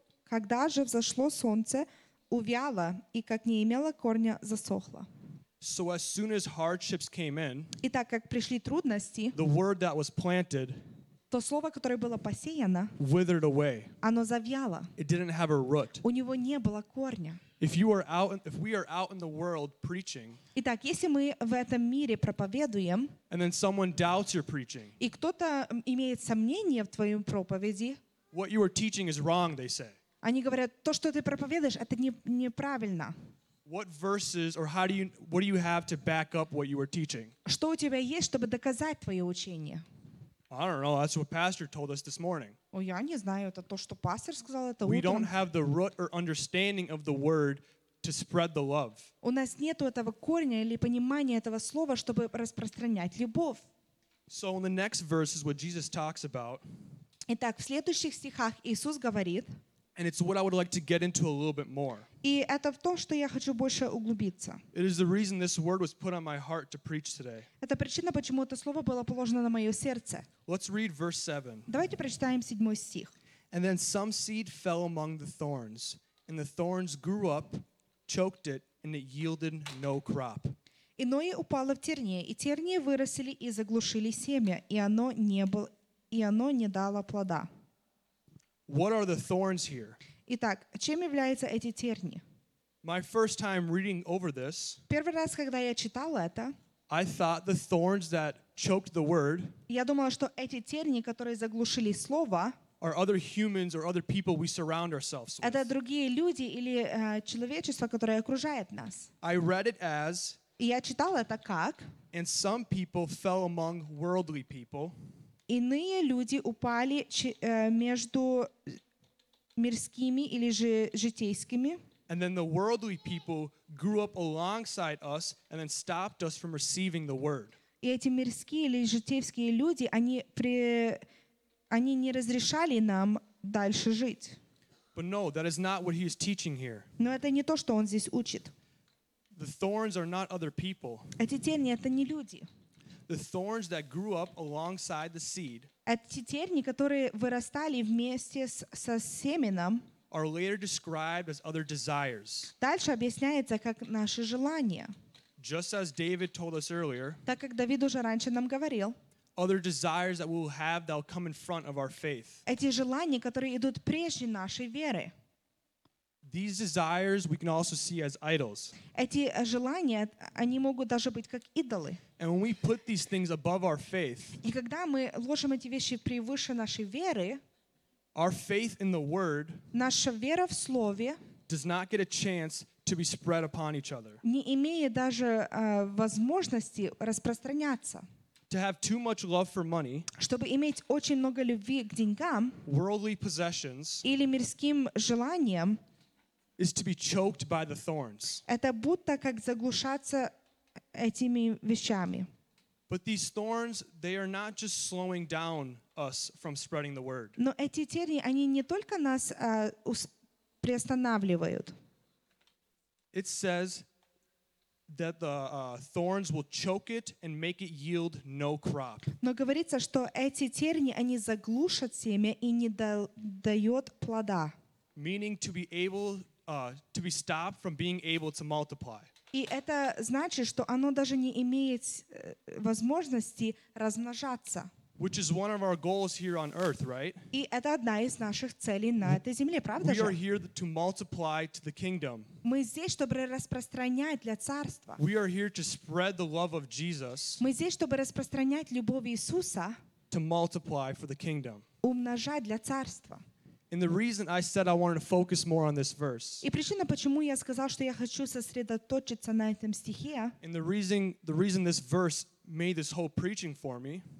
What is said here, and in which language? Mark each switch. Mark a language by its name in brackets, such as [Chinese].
[Russian] Когда же взошло солнце, увяло, и как не имело корня, засохло. [English] So as soon as hardships came in, [Russian] и так как пришли трудности, [English] the word that was planted, [Russian] то слово, которое было посеяно, [English] withered away. [Russian] Оно завяло. [English] It didn't have a root. [Russian] У него не было корня. [English] If we are out in the world preaching, [Russian] и так, если мы в этом мире проповедуем, [English] and then someone doubts your preaching, [Russian] и кто-то имеет сомнение в твоем проповеди, [English] what you are teaching is wrong, they say. [Russian] Они говорят, то, что ты проповедуешь, это неправильно. [English] What verses or how do you what do you have to back up what you are teaching? [Russian] Что у тебя есть, чтобы доказать твое учение? [English] I don't know. That's what pastor told us this morning. [Russian] Ой, я не знаю. Это то, что пастор сказал это утром. [English] We don't have the root or understanding of the word to spread the love. [Russian] У нас нету этого корня или понимания этого слова, чтобы распространять любовь. [English] So in the next verses, what Jesus talks about. [Russian] Итак, в следующих стихах Иисус говорит. [English] And it's what I would like to get into a little bit more. [Russian] И это в том, что я хочу больше углубиться. [English] It is the reason this word was put on my heart to preach today. [Russian] Это причина, почему это слово было положено на мое сердце. [English] Let's read verse 7. [Russian] Давайте прочитаем 7 стих. [English] And then some seed fell among the thorns, and the thorns grew up, choked it, and it yielded no crop. [Russian] Иное упало в тернии, и тернии выросли и заглушили семя, и оно не дало плода. [English] What are the thorns here? [Russian] Итак, чем являются эти терни? [English] My first time reading over this, [Russian] первый раз, когда я читала это, [English] I thought the thorns that choked the word, [Russian] я думала, что эти терни, которые заглушили слово, [English] are other humans or other people we surround ourselves with. [Russian] Это другие люди или человечество, которое окружает нас. [English] I read it as, [Russian] я читала это как, [English] and some people fell among worldly people, [Russian] Иные люди упали между мирскими или же житейскими. [English] And then the worldly people grew up alongside us and then stopped us from receiving the word. [Russian] И эти мирские или житейские люди, они не разрешали нам дальше жить. [English] But no, that is not what he is teaching here. [Russian] Но это не то, что он здесь учит. [English] The thorns are not other people. [Russian] Эти тени это не люди. [English] The thorns that grew up alongside the seed. [Russian] Эти тени, которые вырастали вместе со семеном. [English] Are later described as other desires. [Russian] Дальше объясняется как наши желания. [English] Just as David told us earlier. [Russian] Так как Давид уже раньше нам говорил. [English] Other desires that we will have that will come in front of our faith. [Russian] Эти желания, которые идут прежде нашей веры. [English] These desires we can also see as idols. [Russian] Эти желания, они могут даже быть как идолы. [English] And when we put these things above our faith. [Russian] И когда мы ложим эти вещи превыше нашей веры. [English] Our faith in the word. [Russian] Наша вера в слове. [English] Does not get a chance to be spread upon each other. [Russian] Не имея даже возможности распространяться. [English] To have too much love for money, [Russian] чтобы иметь очень много любви к деньгам, [English] worldly possessions, [Russian] или мирским желаниям, [English] is to be choked by the thorns. [Russian] Это будто как заглушаться этими вещами. [English] But these thorns, they are not just slowing down us from spreading the word. [Russian] Но эти тени, они не только нас приостанавливают. [English] It says that the thorns will choke it and make it yield no crop. [Russian] Но говорится, что эти тени они заглушат семя и не дают плода. [English] Meaning to be able to be stopped from being able to multiply. [Russian] И это значит, что оно даже не имеет возможности размножаться. [English] Which is one of our goals here on earth, right? [Russian] И это одна из наших целей на этой земле, правда же? [English] We are here to multiply to the kingdom. [Russian] Мы здесь, чтобы распространять для царства. [English] We are here to spread the love of Jesus. [Russian] Мы здесь, чтобы распространять любовь Иисуса. [English] To multiply for the kingdom. [Russian] Умножать для царства. [English] And the reason I said I wanted to focus more on this verse. [Russian] И причина, почему я сказал, что я хочу сосредоточиться на этом стихе. [English] And the reason this verse made this whole preaching for me.